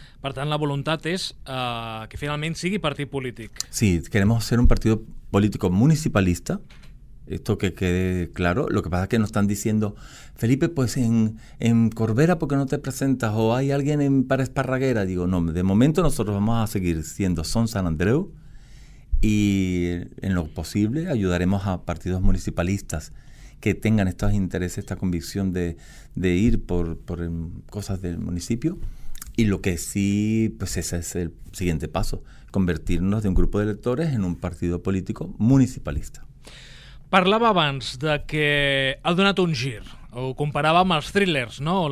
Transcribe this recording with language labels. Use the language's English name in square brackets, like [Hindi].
[Catalan] Per tant, la voluntat és que finalment sigui partit polític. [Spanish] Sí, queremos ser un partido político municipalista. Esto que quede claro. Lo que pasa es que nos están diciendo, Felipe, pues en Corbera, ¿por qué no te presentas? ¿O hay alguien en Pares Parraguera? Digo, no, de momento nosotros vamos a seguir siendo Son San Andreu y en lo posible ayudaremos a partidos municipalistas que tengan estos intereses, esta convicción de ir por cosas del municipio. Y lo que sí, pues ese es el siguiente paso, convertirnos de un grupo de electores en un partido político municipalista. [Catalan] Parlava abans de que ha donat un gir, o comparava amb els thrillers, no?